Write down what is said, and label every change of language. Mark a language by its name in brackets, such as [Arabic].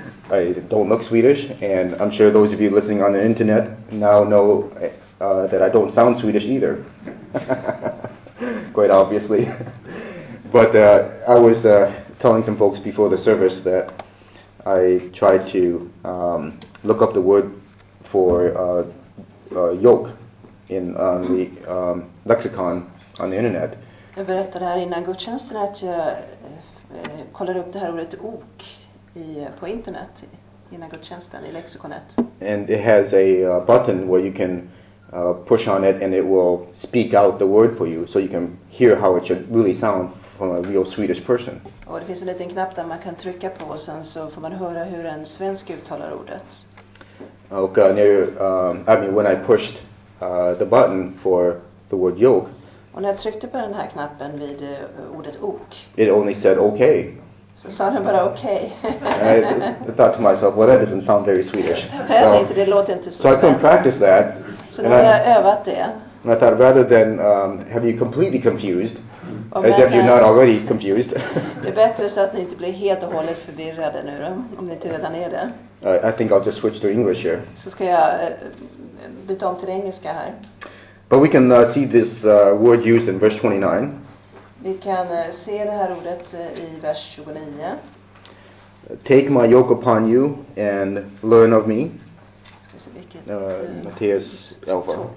[English] I don't look Swedish. And I'm sure those of you listening on the internet now know that I don't sound Swedish either. quite obviously. But I was telling some folks before the service that I tried to look up the word for yoke in the lexicon on the internet. [Swedish] Jag berättade här innan gudstjänsten att jag kollade upp det här ordet ok på internet innan gudstjänsten i lexikonet. [English] And it has a button where you can push on it and it will speak out the word for you, so you can hear how it should really sound from a real Swedish person. [Swedish] Och det finns en liten knapp där man kan trycka på och sen så får man höra hur en svensk uttalar ordet. [English] Och when I pushed the button for the word yoke. [Swedish] Och när jag tryckte på den här knappen vid ordet ok. [English] It only said okay. [Swedish] Så sa den bara okej. [English] Okay. I thought to myself, well, that doesn't sound very Swedish. [Swedish] Jag tänkte, det låter inte så. [English] So I couldn't practice that. [Swedish] Så nu har jag övat det. [English] And I thought, rather than have you completely confused, as if you're not already confused. [Swedish] Det är bättre så att ni inte blir helt och hållet förvirrade nu då, om ni inte redan är det. [English] I think I'll just switch to English here. [Swedish] Så ska jag byta om till engelska här. [English] But we can see this word used in verse 29. [Swedish] Vi kan se det här ordet i vers 29. [English] Take my yoke upon you and learn of me. Matthäus 11.